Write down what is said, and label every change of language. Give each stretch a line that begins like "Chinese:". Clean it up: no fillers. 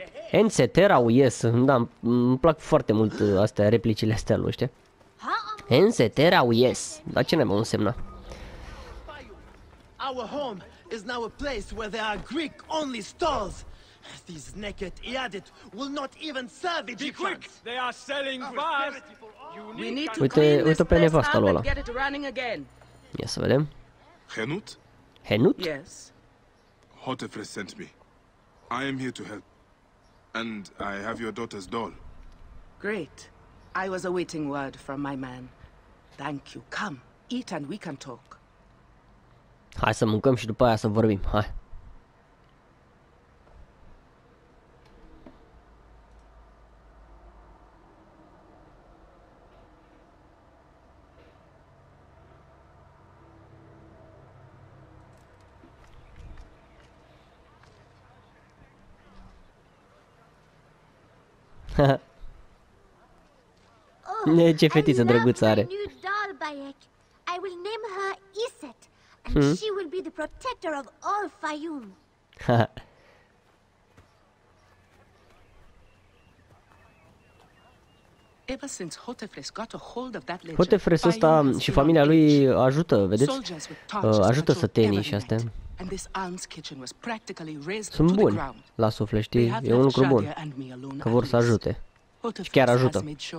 Romanian: Enseterau, yes, da, îmi plac foarte mult astea, replicile astea lui ăștia. Enseterau, yes, dar ce ne-am însemnat?
English: Our home is now a place where there are Greek only stalls. These naked iadit will not even serve it. Be quick, they are selling fast. We need to clean this place up and get it running again.
Romanian: Ia să vedem.
English: Henut? Henut? Yes. Hotefre sent me. I am here to help. And I have your daughter's doll. Great. I was awaiting word from my man. Thank you. Come, eat and we can talk.
Romanian: Hai să mâncăm și după aia să vorbim. Hai. Ne, ce fetiță drăguță are.
English: New doll, Bayek. I will name her Iset, and she will be the protector of all Fayum. Ever since Hotefres got a hold of that legend.
Romanian: Hotefres ăsta și familia lui ajută, vedeți? Ajută sătenii și astea.
English: And this aunt's kitchen was practically raised to the ground.
Romanian: La suflet, știi, e un lucru bun. Că vor să ajute. Și chiar ajută.